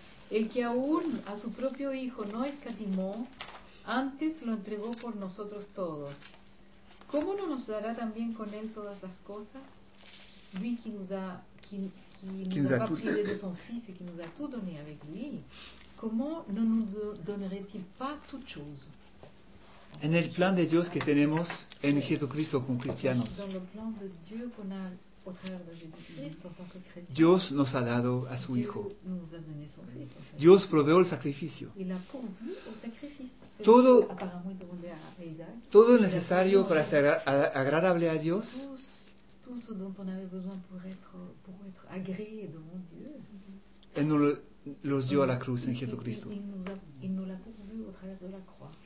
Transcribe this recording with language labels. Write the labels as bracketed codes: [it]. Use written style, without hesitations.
[es] El que aún a su propio hijo no escatimó, antes lo entregó por nosotros todos. ¿Cómo no nos dará también con él todas las cosas? [fr] Lui qui nous a, qui nous a pas privé de son fils et qui nous a tout donné avec lui, comment ne nous donnerait-il pas toute chose? [es] En el plan de Dios que tenemos en Jesucristo como cristianos. [fr] Dans le plan de Dieu qu'on a au travers de Jésus-Christ en tant que chrétien. [es] Dios nos ha dado a su [fr] Dieu [es] hijo. [fr] Nous a donné son fils, en fait. [es] Dios proveó el sacrificio. [fr] Il a pourvu au sacrifice. [es] Todo, [fr] apparemment, il demandait à Isaac, [es] todo lo necesario para ser agradable a Dios. [fr] Tout ce dont on avait besoin pour être agréé devant Dieu. Et nous le [es] dio [fr] à [es] la cruz en Jesucristo. [fr] Il nous l'a pourvu au travers de la croix.